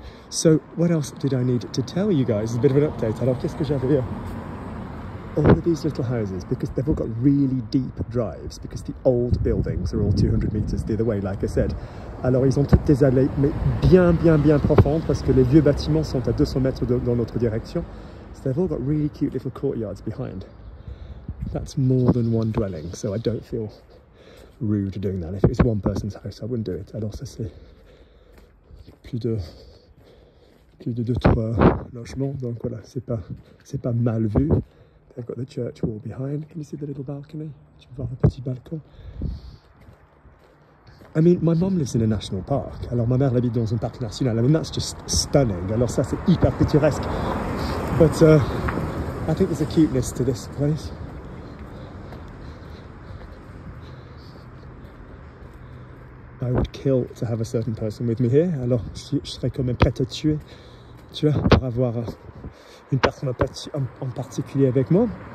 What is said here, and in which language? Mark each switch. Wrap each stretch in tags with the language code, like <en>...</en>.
<en>So, what else did I need to tell you guys? A bit of an update.</en> <fr>Alors, qu'est-ce que j'avais</fr> <en>here? All of these little houses, because they've all got really deep drives, because the old buildings are all 200 meters the other way, like I said.</en> <fr>Alors, ils ont toutes des allées, mais bien, bien, bien profondes, parce que les vieux bâtiments sont à 200 mètres dans l'autre direction.</fr> <en>So they've all got really cute little courtyards behind. That's more than one dwelling, so I don't feel rude doing that. If it was one person's house, I wouldn't do it.</en> <fr>Alors, ça c'est plus de deux, trois logements, donc voilà, c'est pas mal vu.</fr> <en>They've got the church wall behind. Can you see the little balcony?</en> <fr>Tu vois le petit balcon?</fr> <en>I mean, my mom lives in a national park.</en> <fr>Alors, ma mère habite dans un parc national.</fr> <en>I mean, that's just stunning.</en> <fr>Alors, ça, c'est hyper picturesque.</fr> <en>But I think there's a cuteness to this place. I would kill to have a certain person with me here.</en> <fr>Alors, je serais quand même prêt à tuer, tu vois, pour avoir une personne en particulier avec moi.</fr>